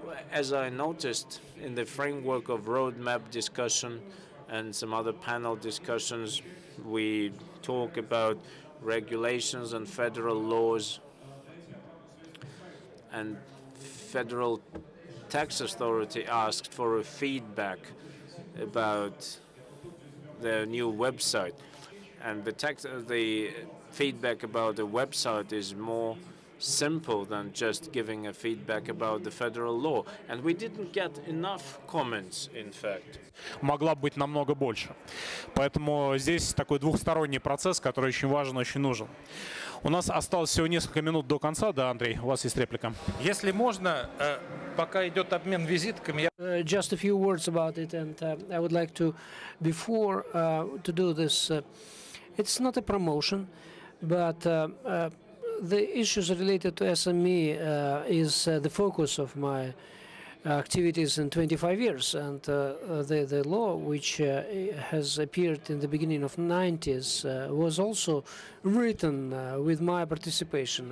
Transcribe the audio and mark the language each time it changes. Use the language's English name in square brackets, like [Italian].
[English] As I noticed in the framework of roadmap discussion and some other panel discussions, we talk about regulations and federal laws and federal tax authority asked for a feedback about their new website. And the feedback about the website is more simple than just giving a feedback about the federal law. And we didn't get enough comments, in fact. [Russian] Могла бы быть намного больше. Поэтому здесь такой двухсторонний процесс, который очень важен, очень нужен. У нас осталось всего несколько минут до конца. Да, Андрей, у вас есть реплика. Если можно, пока идет обмен визитками, я... [English] Just a few words about it, and I would like to, before to do this, it's not a promotion, but the issues related to SME is the focus of my activities in 25 years, and the law, which has appeared in the beginning of 90s, was also written with my participation.